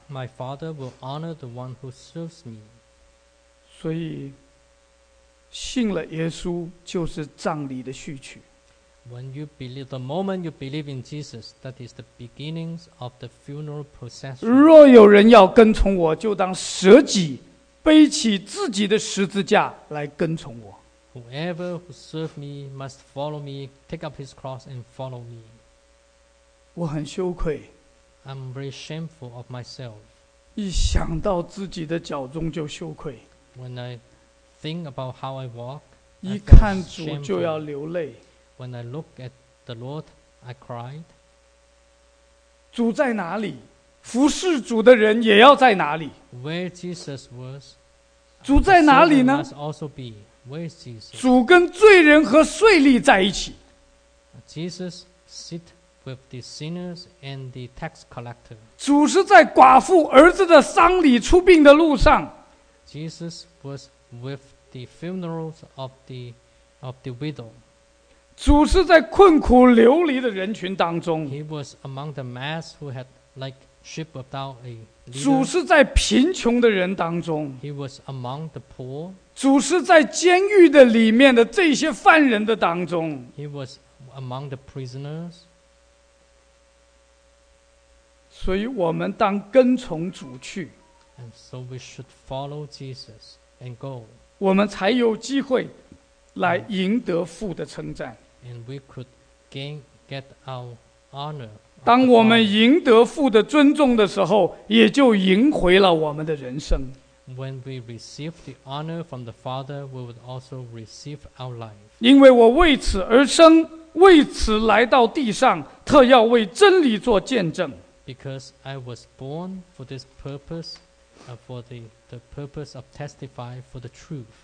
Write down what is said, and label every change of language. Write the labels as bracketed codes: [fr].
[en] My Father will honor the one who serves me. [zh] 所以信了耶稣就是葬礼的序曲。 [en] When you believe, the moment you believe in Jesus, that is the beginnings of the funeral procession. [zh] 若有人要跟从我，就当舍己，背起自己的十字架来跟从我。 [en] Whoever who serves me must follow me, take up his cross and follow me. [zh] 我很羞愧。 [en] I'm very shameful of myself. [zh] 一想到自己的脚中就羞愧。 [en] When I think about how I walk, [zh] 一看主就要流泪。 [en] When I look at the Lord, I cried. [zh] 主在哪里？服侍主的人也要在哪里。 [en] Where Jesus was, [zh] 主在哪里呢？ [en] Must also be. Where is Jesus? [zh] 主跟罪人和税吏在一起。 [en] Jesus sit with the sinners and the tax collector. [zh] 主是在寡妇儿子的丧礼出殡的路上。 [en] Jesus was with the funerals of the widow. [zh] 主是在困苦流离的人群当中。 [en] He was among the mass who had like sheep without a leader. [zh] 主是在贫穷的人当中。 [en] He was among the poor. [zh] 主是在监狱的里面的这些犯人的当中。 [en] He was among the prisoners. [zh] 所以我们当跟从主去。 [en] And so we should follow Jesus and go. [zh] 我们才有机会来赢得父的称赞。 [en] And we could gain, get our honor. [zh] 当我们赢得父的尊重的时候，也就赢回了我们的人生。 [en] When we receive the honor from the Father, we would also receive our life. [zh] 因为我为此而生，为此来到地上，特要为真理做见证。 [en] Because I was born for this purpose. For the purpose of testify for the truth.